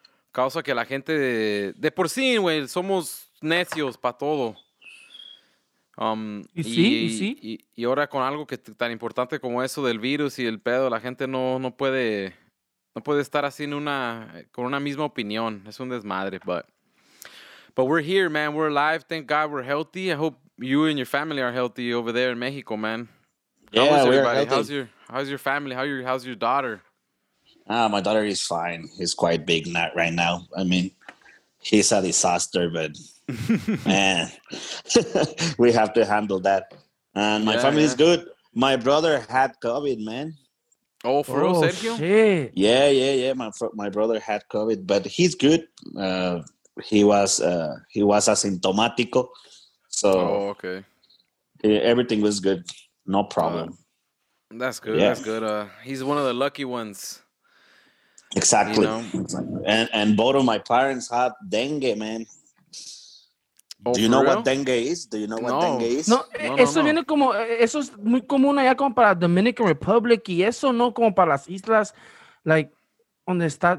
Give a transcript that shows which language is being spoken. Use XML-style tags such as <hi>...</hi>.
<es>Causa que la gente de por sí, güey, somos necios para todo. ¿Y sí? Y ahora con algo que tan importante como eso del virus y el pedo, la gente no puede estar así en una, con una misma opinión. Es un desmadre.</es> <en>But we're here, man. We're alive. Thank God we're healthy. I hope you and your family are healthy over there in Mexico, man. Yeah, how is everybody? How's your family? How's your daughter? My daughter is fine. He's quite big right now. I mean, he's a disaster, but man, we have to handle that. And my family is good. My brother had COVID, man. Oh, for real, Sergio? Shit. Yeah. My brother had COVID, but he's good. He was</en> <es>asintomático.</es> <en>So okay. Everything was good. No problem. That's good. Yeah. That's good. He's one of the lucky ones. Exactly. And both of my parents had dengue, man. Do you know what dengue is? No.</en> <es>Viene como, eso es muy común allá como para Dominican Republic y eso no como para las islas, like, donde está.</es>